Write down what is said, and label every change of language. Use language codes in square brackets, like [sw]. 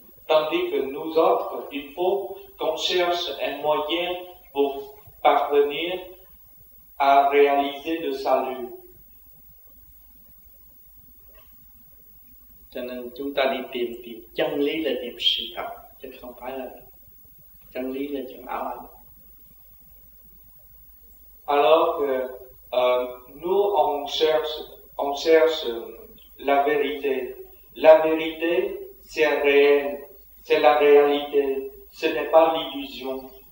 [fr] Tandis que nous autres, il faut qu'on cherche un moyen pour parvenir à réaliser le salut. [vi] Cho nên chúng ta đi tìm, tìm chân lý là tìm sự thật, chứ không phải là... [fr] Alors que nous on cherche la vérité. La vérité c'est réel, c'est la réalité, ce n'est pas l'illusion.